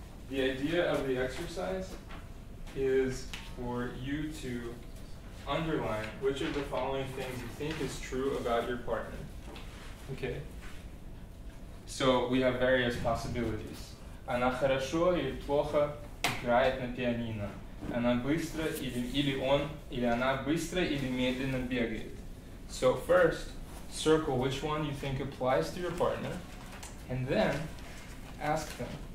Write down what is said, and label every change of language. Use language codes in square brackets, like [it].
[en] The idea of the exercise is for you to underline which of the following things you think is true about your partner. Okay. So we have various possibilities. [ru] Она хорошо или плохо играет на пианино. Она быстро или он или она быстро или медленно бегает. [en] So first, circle which one you think applies to your partner, and then ask them.